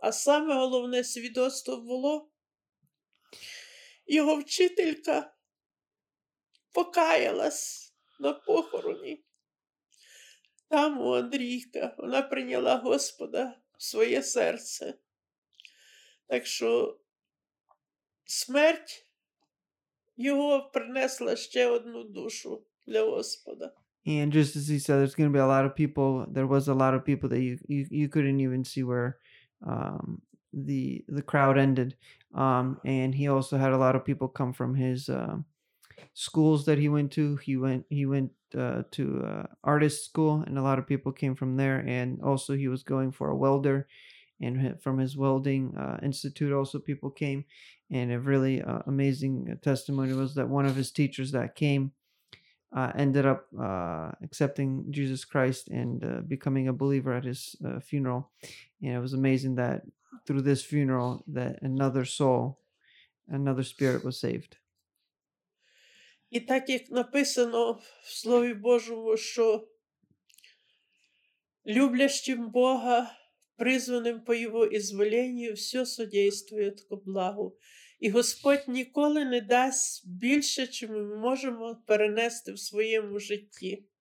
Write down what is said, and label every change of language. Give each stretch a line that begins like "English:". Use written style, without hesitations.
Ukrainian: А саме головне свідоцтво було його вчителька покаялась на похороні. Там у Андрійка вона прийняла Господа в своє серце. Так що смерть його принесла ще одну душу для Господа.
English: And just as he said, there's going to be a lot of people. There was a lot of people that you couldn't even see where the crowd ended. And he also had a lot of people come from his schools that he went to. He went to artist school, and a lot of people came from there. And also he was going for a welder, and from his welding institute also people came. And a really amazing testimony was that one of his teachers that came ended up accepting Jesus Christ and becoming a believer at his funeral. And it was amazing that through this funeral that another soul, another spirit was saved.
Ukrainian: І так, як написано в Слові Божому, що люблящим Бога, призваним по Його ізволенню, все содействує ко благу. І Господь ніколи не дасть більше, чим ми можемо перенести в своєму житті.